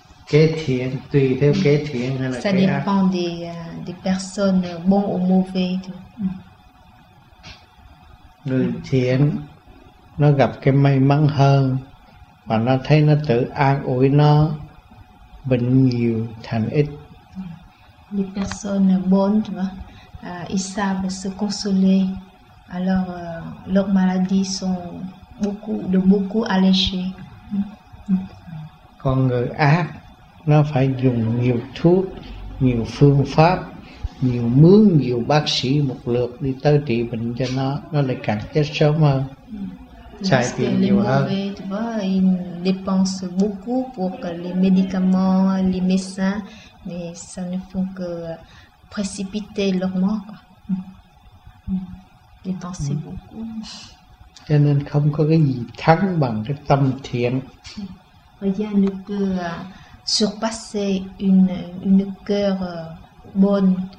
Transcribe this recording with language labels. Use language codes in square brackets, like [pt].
[fr] ça dépend des personnes bonnes ou mauvaises. [vi] Người thiện nó gặp cái may mắn hơn và nó thấy nó tự an ủi nó, bệnh nhiều thành ít. [fr] Les personnes bonnes, tu vois, ils savent se consoler, alors leurs maladies sont beaucoup allégées. [vi] Còn người ác nó phải dùng nhiều thuốc, nhiều phương pháp, nhiều mướn nhiều bác sĩ một lượt đi tới trị bệnh cho nó lại càng chết sớm hơn, xài tiền nhiều hơn. [fr] Tu vois, ils dépensent beaucoup pour les médicaments, les médecins, mais ça ne fait que précipiter leur mort, quoi. Dépenser beaucoup. [vi] Cho nên không có cái gì thắng bằng cái tâm thiện. [fr] Rien ne peut surpasser une cœur bonne.